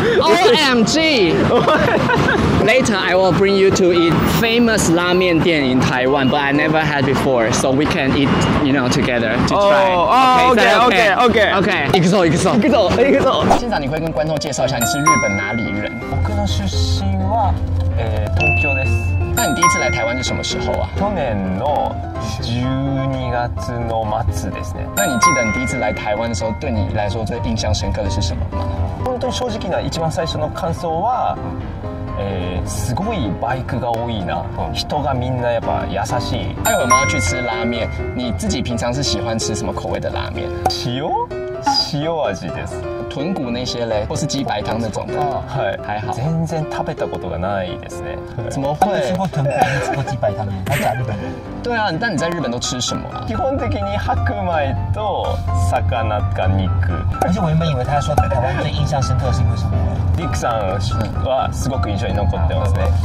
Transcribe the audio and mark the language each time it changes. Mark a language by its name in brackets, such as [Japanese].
[English] ，OMG， later I will bring you to eat famous 拉面店 in 台湾 ，but I never had before， so we can eat you know together to try， [Japanese] OK， 行くぞ， [Chinese] 现场你会跟观众介绍一下你是日本哪里人？ [Japanese] 出身は、東京です。 [Chinese] 那你第一次来台湾是什么时候啊？ [Japanese] 去年の12月の末ですね。 [Chinese] 那你记得你第一次来台湾的时候，对你来说最印象深刻的是什么吗？ [Japanese] 本当に正直な一番最初の感想は、すごいバイクが多いな。人がみんなやっぱ優しい。 [Chinese] 待会我们要去吃拉面，你自己平常是喜欢吃什么口味的拉面？ [Japanese] 塩味です。 [Chinese] 豚骨那些嘞，或是鸡白汤那种的，是还好。 [Japanese] 全然食べたことがないですね。 [Chinese] 怎么会？吃过豚骨，吃过鸡白汤，还在日本。对啊，但你在日本都吃什么啊？ [Japanese] 基本的に白米と魚か肉。 [Chinese] 而且我原本以为他要说台湾最印象深刻是因为什么？ [Japanese] リクさんはすごく印象に残ってますね。